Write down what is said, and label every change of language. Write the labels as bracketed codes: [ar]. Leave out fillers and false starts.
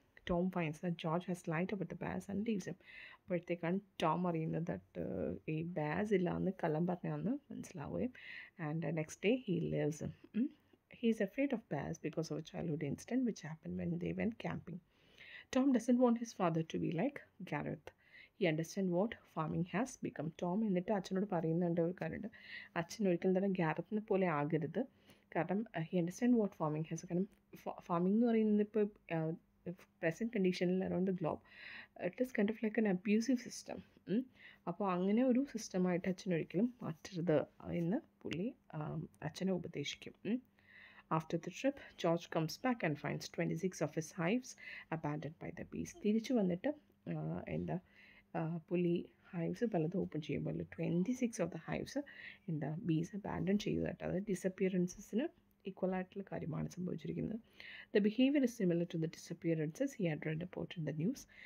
[en] Tom finds that George has lied about the bass and leaves him. [ml] അപ്പോഴത്തേക്കാണ് Tom അറിയുന്നത് that ഈ bass ഇല്ലാന്ന് കള്ളം പറഞ്ഞാന്ന് മനസ്സിലാവുകയും. [en] And next day he leaves him. He is afraid of bass because of childhood incident which happen when they when camping. Tom doesn't want his father to be like Gareth. He understands what farming has become. [ml] Tom എന്നിട്ട് അച്ഛനോട് പറയുന്നുണ്ട് ഒരു കാര്യം, അച്ഛൻ ഒരിക്കലും തന്നെ ഗാരത്തിനെ പോലെ ആകരുത്. [en] കാരണം he understand what farming has. [ml] കാരണം ഫാമിംഗ് എന്ന് പറയുന്നത് ഇപ്പോൾ പ്രസൻറ്റ് കണ്ടീഷനിൽ [en] Around the globe it's kind of like an abusive system. [ml] അപ്പോൾ അങ്ങനെ ഒരു സിസ്റ്റമായിട്ട് അച്ഛനൊരിക്കലും മാറ്റരുത് എന്ന് പുള്ളി അച്ഛനെ ഉപദേശിക്കും. [en] After the trip, George comes back and finds 26 of his hives abandoned by the bees. [ml] തിരിച്ചു വന്നിട്ട് എന്താ പുലി ഹൈവ്സ് പലതും ഓപ്പൺ ചെയ്യുമ്പോഴല്ലോ [en] 26 of the hives [ml] എന്താ ബീസ് അബാൻഡൺ ചെയ്തു കേട്ടോ. അത് ഡിസപ്പിയറൻസിന് ഈക്വൽ ആയിട്ടുള്ള കാര്യമാണ് സംഭവിച്ചിരിക്കുന്നത്. [en] The behaviour is similar to the disappearances he had read report in the news.